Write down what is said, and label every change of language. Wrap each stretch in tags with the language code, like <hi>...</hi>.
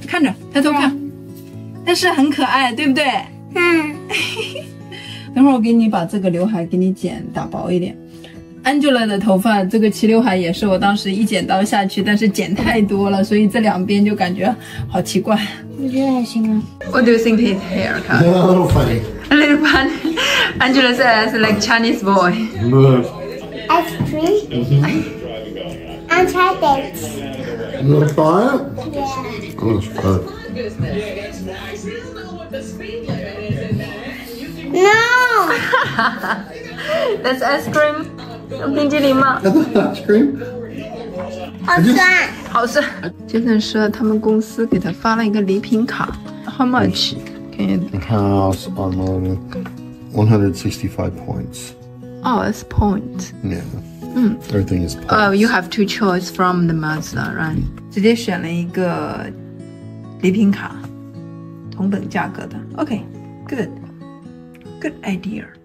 <zh>看着抬头看，但是很可爱，对不对？嗯。等会儿我给你把这个刘海给你剪打薄一点。Angela 的头发这个齐刘海也是我当时一剪刀下去，但是剪太多了，所以这两边就感觉好奇怪。我觉得还行啊。</zh> <en>What do you think his hair color? A little funny. A little funny. Angela says, like Chinese boy. Ice cream. And chocolate. Looks fine. Yeah. Looks good. No. That's ice cream.</en> <zh>冰激凌吗</zh> <en>？Ice cream.</en> <zh>好酸。好酸。 Jason 说他们公司给他发了一个礼品卡。</zh> <en>How much? And how else I'm on 165 points. Oh, it's points. Yeah.、 Mm. Everything is points. You have two choices from the Mazda, right?、Mm.</en> <zh>直接选了一个礼品卡，同等价格的。</zh> <en>Okay, good. Good idea.</en>